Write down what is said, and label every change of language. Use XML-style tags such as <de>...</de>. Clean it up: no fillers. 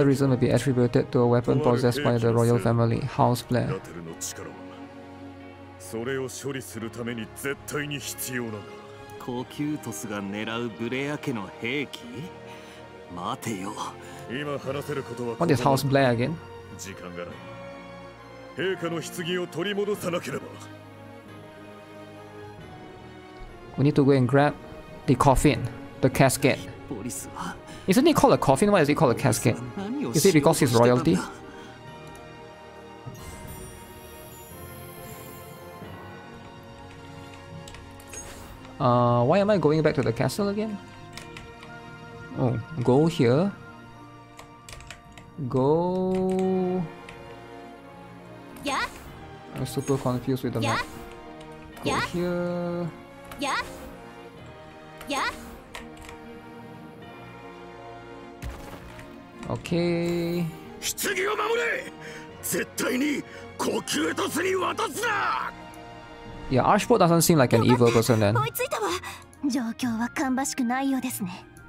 <en>Another reason would be attributed to a weapon possessed by the royal family, House Blair.</en> <ja>ラテルの力は、それを処理するために絶対に必要なんだ。コキュートスが狙うブレア家の兵器？待てよ。今話せることは。</ja> <en>What is House Blair again?</en> <ja>時間がない。陛下の棺を取り戻さなければ。</ja> <en>We need to go and grab the coffin, the casket.</en> <ja>ボリスは。</ja> <en>Isn't it called a coffin? Why is it called a casket? Is it because it's royalty? Why am I going back to the castle again? Oh, go here. Go. Yeah. I'm super confused with the map. Go yeah. here. Yeah. Yeah. Okay.</en> <ja>棺を守れ！絶対に呼吸とすに渡すな！</ja> <en>Yeah, Archibald doesn't seem like an evil person then.</en> <ja>追いついたわ。状況は芳しくないようですね。</ja>